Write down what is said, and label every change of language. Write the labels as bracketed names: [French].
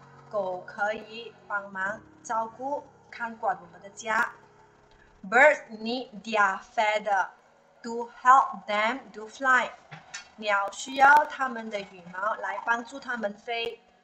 [Chinese] 狗可以帮忙照顾看管我们的家. [English] Birds need their feather to help them to fly. [Chinese] 鸟需要它们的羽毛来帮助它们飞.